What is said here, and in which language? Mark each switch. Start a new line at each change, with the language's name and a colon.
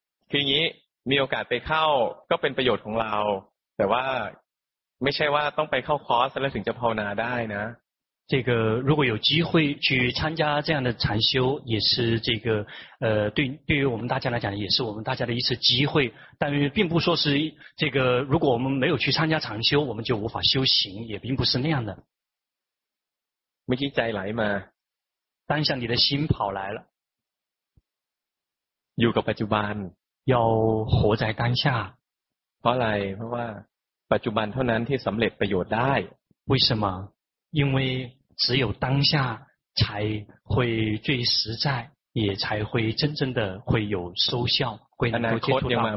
Thai: คืองี้มีโอกาสไปเข้าก็เป็นประโยชน์ของเราแต่ว่าไม่ใช่ว่าต้องไปเข้าคอร์สแล้วถึงจะภาวนาได้นะ
Chinese: 这个如果有机会去参加这样的禅修，也是这个对于我们大家来讲，也是我们大家的一次机会。但并不说是这个，如果我们没有去参加禅修，我们就无法修行，也并不是那样的。没去再来嘛？当下你的心跑来了。有个ปัจจุบัน，要活在当下。
Thai: เพราะอะไร？ เพราะว่าปัจจุบันเท่านั้นที่สำเร็จประโยชน์ได้。
Chinese: 为什么？因为只有当下才会最实在，也才会真正的会有收效，会能够接触到。